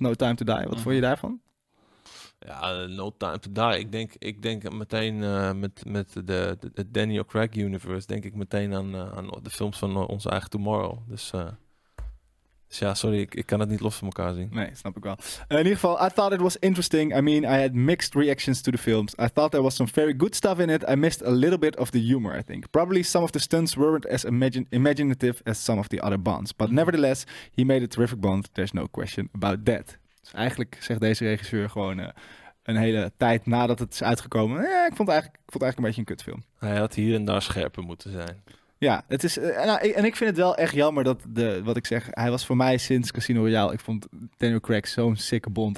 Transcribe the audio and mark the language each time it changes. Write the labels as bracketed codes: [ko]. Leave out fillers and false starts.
[nl] No Time to Die. Wat vond je daarvan? Ja, No Time to Die. Ik denk meteen met de Daniel Craig universe. Denk ik meteen aan de films van onze eigen Tomorrow. Ja, sorry, ik kan het niet los van elkaar zien. Nee, snap ik wel. In ieder geval, I thought it was interesting. [en] I mean, I had mixed reactions to the films. I thought there was some very good stuff in it. I missed a little bit of the humor, I think. Probably some of the stunts weren't as imaginative as some of the other Bonds. But nevertheless, he made a terrific Bond. There's no question about that. [nl] Dus eigenlijk zegt deze regisseur gewoon een hele tijd nadat het is uitgekomen. Ik vond het eigenlijk een beetje een kutfilm. Hij had hier en daar scherper moeten zijn. Ja, het is, en ik vind het wel echt jammer dat, wat ik zeg, hij was voor mij sinds Casino Royale, ik vond Daniel Craig zo'n sicke Bond.